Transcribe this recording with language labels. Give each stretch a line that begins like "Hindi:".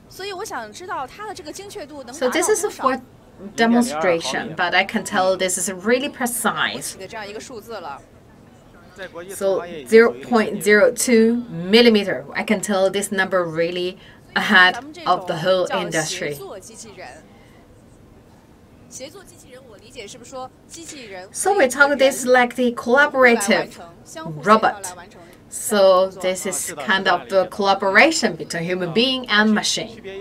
Chinese: 所以我想知道它的这个精确度能达到多少。
English: So this is for demonstration, but I can tell this is really precise.
Chinese: 我起的这样一个数字了。
English: So 0.02 millimeter. I can tell this number really ahead of the whole industry.
Chinese: 协作机器人，我理解是不是说机器人
English: ？So we talk this like the collaborative robot. So this is kind of the collaboration between human being and machine.